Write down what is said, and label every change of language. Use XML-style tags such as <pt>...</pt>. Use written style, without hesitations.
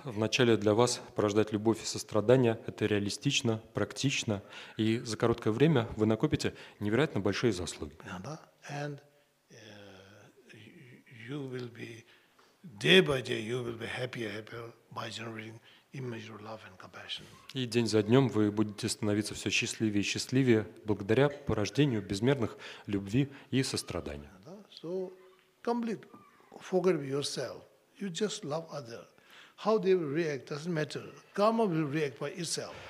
<ru>Вначале для вас порождать любовь и сострадание – это реалистично, практично, и за короткое время вы накопите невероятно большие заслуги.</ru> <en>And you will be day by day, you will be happier, happier by generating immeasurable love and compassion.</en> <ru>И день за днем вы будете становиться все счастливее и счастливее благодаря порождению безмерных любви и сострадания.</ru> <en>So complete. Forget yourself. You just love others. How they will react doesn't matter. Karma will react by itself.</en>